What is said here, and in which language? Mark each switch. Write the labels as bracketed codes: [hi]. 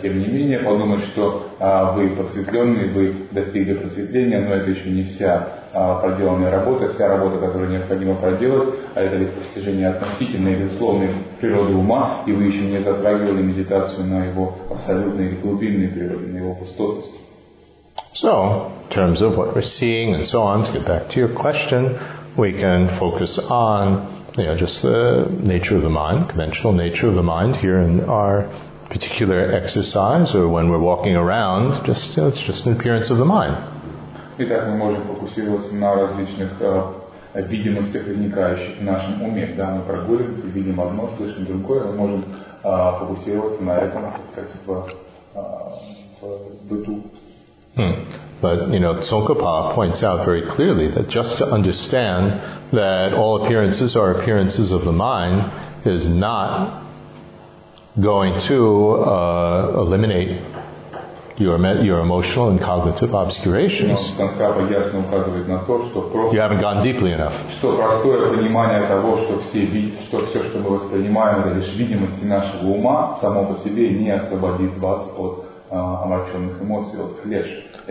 [ru] Тем не менее, подумать, что вы просветленные, вы достигли просветления, но это еще не вся проделанная работа. Вся работа, которую необходимо проделать, а это лишь постижение относительной, безусловной природы ума, и вы еще не затрагивали медитацию на его абсолютной или глубинной природе, на его пустотности. [en] So, in terms of what we're seeing and so on, to get back to your question, we can focus on, you know, just the nature of the mind, conventional nature of the mind here in our particular exercise, or when we're walking around, just, you know, it's just an appearance of the mind. [ru] Итак, мы можем фокусироваться на различных видимостях, возникающих в нашем уме. Да, мы прогуливаемся, видим одно, слышим другое, мы можем фокусироваться на этом, так сказать, в быту. [en] But, you know, Tsongkhapa points out very clearly that just to understand that all appearances are appearances of the mind is not going to eliminate your emotional and cognitive obscurations. You haven't gone deeply enough. [ru] Что простое понимание того, что все видим, что все, что мы воспринимаем, это лишь видимости нашего ума, само по себе не освободит вас от омраченных эмоций, от клеш.